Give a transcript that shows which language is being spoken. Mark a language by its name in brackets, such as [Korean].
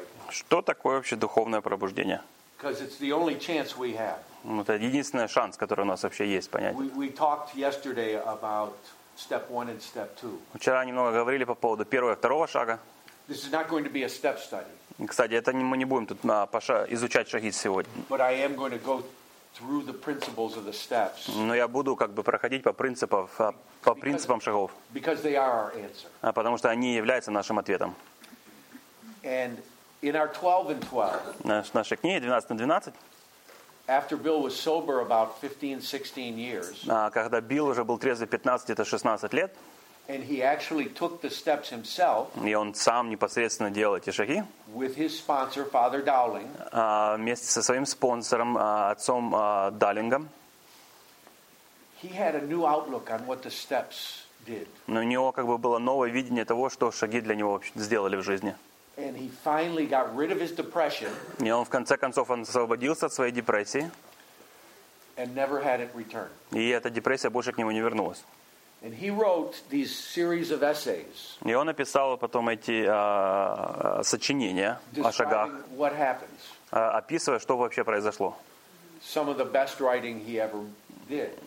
[Russian] Что такое вообще духовное пробуждение? [English] Because it's the only chance we have. [Russian] Это единственный шанс, который у нас вообще есть, понять. [English] We talked yesterday about step one and step two. [Russian] Вчера немного говорили по поводу первого и второго шага. [English] This is not going to be a step study. [Russian] Кстати, это мы не будем тут изучать шаги сегодня. [English] But I am going to go through the principles of the steps. [Russian] Но я буду как бы проходить по принципам шагов. [English] Because they are our answer. [Russian] Потому что они являются нашим ответом. [English] And in our 12 and 12. [Russian] Нашей книге 12 на 12. [English] After Bill was sober about 15-16 years. [Russian] Когда Билл уже был трезвый 15 это 16 лет. [English] And he actually took the steps himself. [Russian] И он сам непосредственно делал эти шаги. [English] With his sponsor Father Dowling. [Russian] Вместе со своим спонсором отцом Даллингом. [English] He had a new outlook on what the steps did. [Russian] Но у него как бы было новое видение того, что шаги для него сделали в жизни. [English] And he finally got rid of his depression. [Russian] И он в конце концов освободился от своей депрессии. [English] And never had it return. [Russian] И эта депрессия больше к нему не вернулась. [English] And he wrote these series of essays. [Russian] И он написал потом эти сочинения о шагах. [English] Describing what happens. [Russian] Описывая, что вообще произошло. [English] Some of the best writing he ever did.